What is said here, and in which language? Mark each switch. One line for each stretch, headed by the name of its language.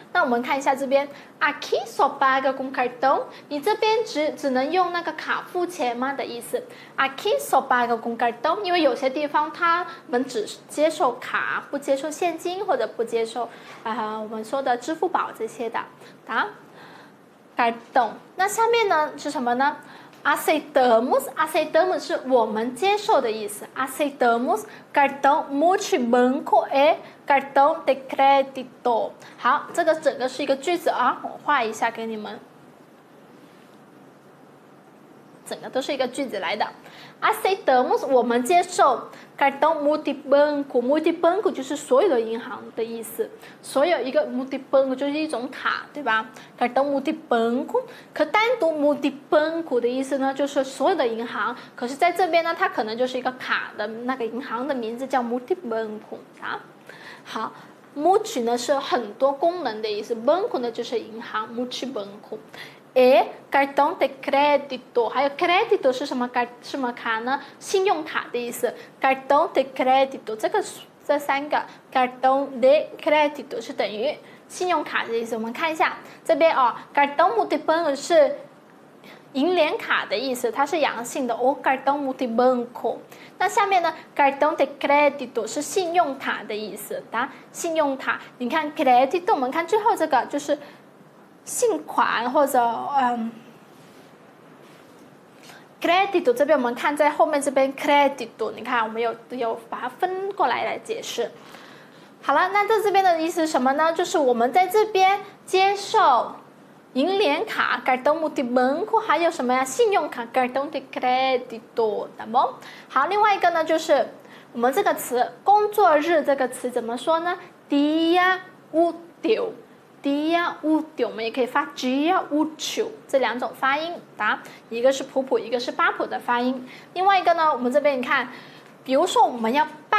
Chinese: 那我们看一下这边 ，
Portuguese: aqui só paga com cartão，
Chinese: 你这边只能用那个卡付钱吗的意思 ？aqui só paga com cartão， 因为有些地方他们只接受卡，不接受现金或者不接受我们说的支付宝这些的，啊。Cartão. 那下面呢是什么呢 ？Aceitamos， aceitamos 是我们接受的意思。
Portuguese: Aceitamos cartão multibanco e cartão de crédito。
Chinese: 好，这个整个是一个句子啊，我画一下给你们。整个都是一个句子来的。Aceitamos 我们接受
Portuguese: cartão multibanco，
Chinese: multibanco 就是所有的银行的意思，所有一个 multibanco 就是一种卡，对吧？ cartão multibanco 可单独 multibanco 的意思呢，就是所有的银行，可是在这边呢，它可能就是一个卡的那个银行的名字叫 multibanco 啊。好， multi 呢是很多功能的意思， banco 呢就是银行 multibanco。
Portuguese: E cartão de crédito，
Chinese: 还有
Portuguese: crédito 是什么卡？
Chinese: 什么卡呢？信用卡的意思。 cartão de crédito 这三个 cartão de crédito 是等于信用卡的意思。我们看一下这边哦 ，cartão multibanco 是银联卡的意思，它是阳性的。 o cartão multibanco。 那下面呢 ？cartão de crédito 是信用卡的意思，答信用卡。你看 crédito， 我们看最后这个就是。信款或者credito 这边我们看在后面这边 credito， 你看我们有把它分过来来解释。好了，那在这边的意思是什么呢？就是我们在这边接受银联卡
Portuguese: cartão multibanco，
Chinese: 还有什么呀？信用卡
Portuguese: cartão de crédito，
Chinese: 懂不？好，另外一个呢，就是我们这个词“工作日”这个词怎么说呢 ？dia útil。 dia útil， 我们也可以发 dia útil 这两种发音，答一个是普普，一个是巴普的发音。另外一个呢，我们这边你看，比如说我们要办。